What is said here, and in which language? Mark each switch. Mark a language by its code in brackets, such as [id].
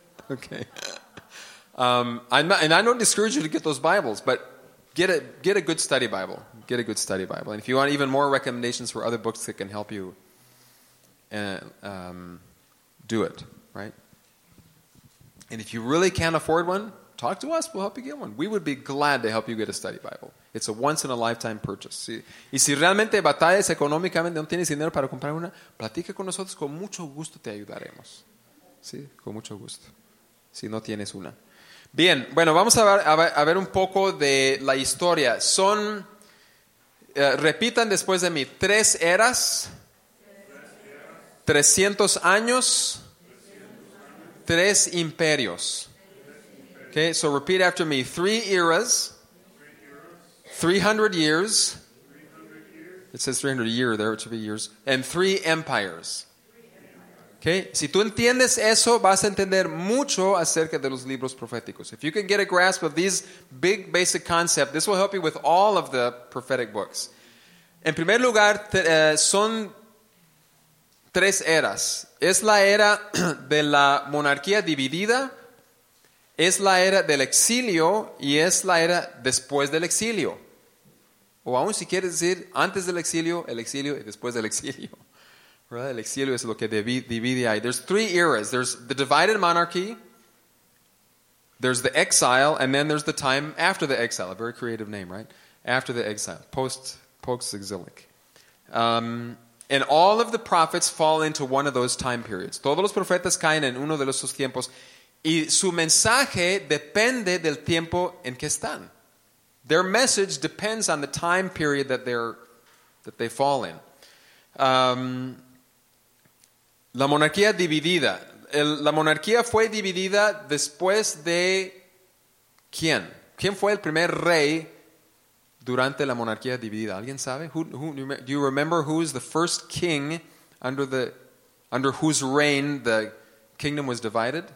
[en] Okay. I don't discourage you to get those Bibles, but get a good study Bible. Get a good study Bible. And if you want even more recommendations for other books that can help you do it, right? And if you really can't afford one, talk to us. We'll help you get one. We would be glad to help you get a study Bible. It's a once-in-a-lifetime purchase. [es] Si, y si realmente batallas económicamente, no tienes dinero para comprar una, platica con nosotros. Con mucho gusto te ayudaremos. Sí, con mucho gusto. Si no tienes una. Bien, bueno, vamos a ver un poco de la historia. Son, repitan después de mí, tres eras, 300 años, tres imperios. [en] Okay, so repeat after me, three eras, 300 years, it says 300 year there, it should be years, and three empires. Okay. [es] Si tú entiendes eso, vas a entender mucho acerca de los libros proféticos. [en] If you can get a grasp of these big basic concepts, this will help you with all of the prophetic books. [es] En primer lugar, son tres eras. Es la era de la monarquía dividida, es la era del exilio y es la era después del exilio. O aún si quieres decir antes del exilio, el exilio y después del exilio. Right? El exilio es lo que divide ahí. [en] There's three eras. There's the divided monarchy, there's the exile, and then there's the time after the exile. A very creative name, right? After the exile, post-exilic. And all of the prophets fall into one of those time periods. [es] Todos los profetas caen en uno de esos tiempos. Y su mensaje depende del tiempo en que están. [en] Their message depends on the time period that they fall in. [es] La monarquía dividida. La monarquía fue dividida después de ¿quién? ¿Quién fue el primer rey durante la monarquía dividida? ¿Alguien sabe? [en] Do you remember who is the first king under whose reign the kingdom was divided?